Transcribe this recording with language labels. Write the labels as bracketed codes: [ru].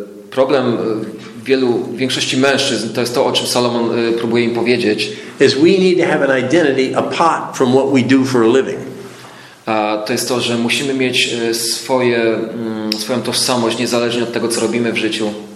[pl] Problem wielu większości mężczyzn to jest to, o czym Solomon próbuje im powiedzieć. [en] is we need to have an identity apart from what we do for a living. [pl] To jest to, że musimy mieć swoją tożsamość niezależnie od tego, co robimy w życiu.